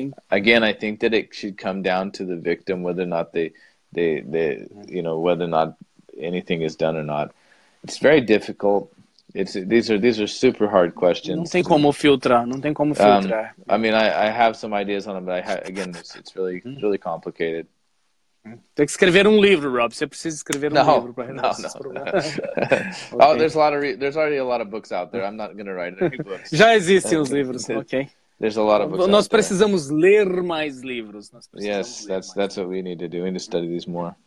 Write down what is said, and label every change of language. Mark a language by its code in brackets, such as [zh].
[en] I think that it should come down to the victim, whether or not they, you know, whether or not anything is done or not. It's very difficult. These are super hard questions. [pt] Não tem como filtrar. Não tem como filtrar. [en] I mean, I have some ideas on them, but it's really really complicated. [pt] Tem que escrever um livro, Rob. Você precisa escrever um livro para resolver esses problemas. [en] Okay. Oh, there's already a lot of books out there. I'm not going to write any books. [pt] Já existem os livros, ok? [en] There's a lot of books. [pt] Nós precisamos ler mais livros. [en] Yes, that's what we need to do. We need to study these more.